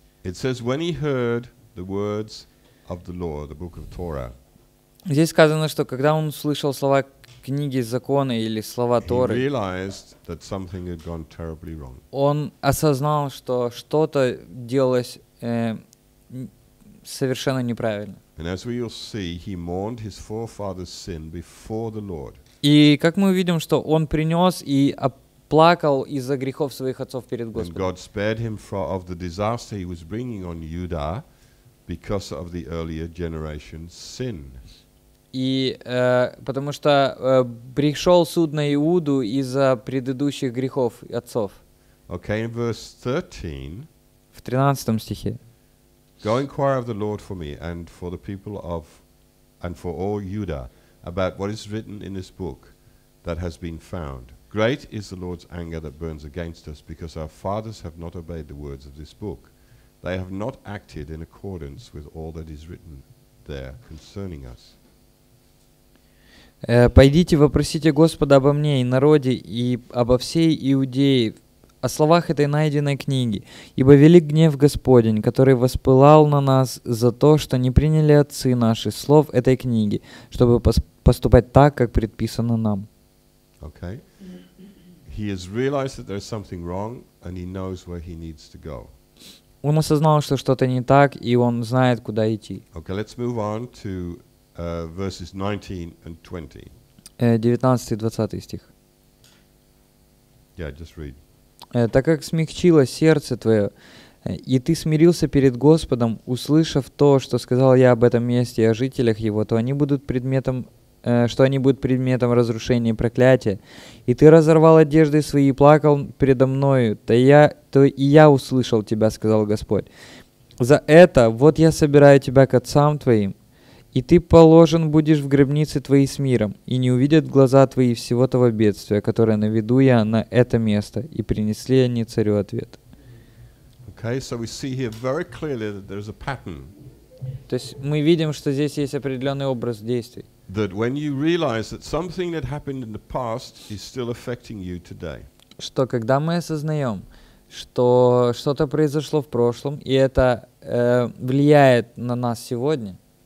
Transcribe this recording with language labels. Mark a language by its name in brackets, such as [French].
[English] It says when he heard the words of the law, the book of Torah. [Russian] Здесь сказано, что когда он услышал слова книги закона или слова Торы, [English] he realized that something had gone terribly wrong. [Russian] Он осознал, что что-то делалось совершенно неправильно. [English] And as we will see, he mourned his forefather's sin before the Lord. [Russian] И как мы увидим, что он принес и плакал из-за грехов своих отцов перед Господом. [English] And God spared him of the disaster he was bringing on Judah because of the earlier generation's sin. [Russian] И потому что пришел суд на Иуду из-за предыдущих грехов отцов. [English] Okay, in verse 13. [Russian] В 13 стихе. [English] Go inquire of the Lord for me and for the people of and for all Judah about what is written in this book that has been found. Great is the Lord's anger that burns against us because our fathers have not obeyed the words of this book. They have not acted in accordance with all that is written there concerning us. [Russian] Пойдите, вопросите Господа обо мне и народе, и обо всей Иудее, о словах этой найденной книги. Ибо велик гнев Господень, который воспылал на нас за то, что не приняли отцы наши слов этой книги, чтобы поступать так, как предписано нам. [English] Okay. He has realized that there's something wrong, and he knows where he needs to go. [Russian] Он осознал, что что-то не так, и он знает, куда идти. [English] Okay, let's move on to verses 19 and 20. [Russian] 19-20 стих. [English] Yeah, just read. [Russian] Так как смягчилось сердце твое, и ты смирился перед Господом, услышав то, что сказал я об этом месте и о жителях его, то они будут предметом, что они будут предметом разрушения и проклятия. И ты разорвал одежды свои и плакал предо мною, то и я услышал тебя, сказал Господь. За это вот я собираю тебя к отцам твоим, и ты положен будешь в гробнице твоей с миром, и не увидят глаза твои всего того бедствия, которое наведу я на это место. И принесли они царю ответ. [English] Okay, so we see here very clearly that there's a pattern. [Russian] То есть мы видим, что здесь есть определенный образ действий. [English] That when you realize that something that happened in the past is still affecting you today. [Russian] Что когда мы осознаем, что что-то произошло в прошлом, и это влияет на нас сегодня.